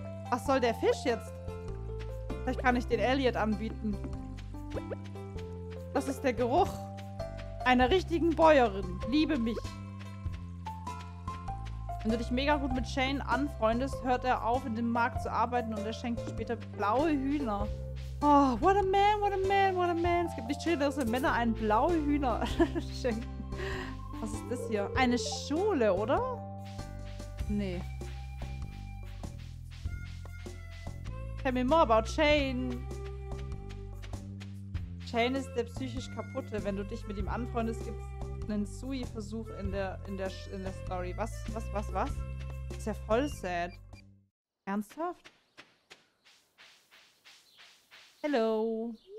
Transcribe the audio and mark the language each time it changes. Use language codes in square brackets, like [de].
[de] Was soll der Fisch jetzt? Vielleicht kann ich den Elliot anbieten. Das ist der Geruch einer richtigen Bäuerin. Liebe mich. Wenn du dich mega gut mit Shane anfreundest, hört er auf, in dem Markt zu arbeiten und er schenkt dir später blaue Hühner. [en] Oh, what a man, what a man, what a man. [de] Es gibt nicht schön, dass Männer einen blaue Hühner schenken. Was ist das hier? Eine Schule, oder? Nee. [en] Tell me more about Shane. [de] Shane ist der psychisch Kaputte. Wenn du dich mit ihm anfreundest, gibt es einen Sui-Versuch in der Story. Was? Ist ja voll sad. Ernsthaft? [en] Hello.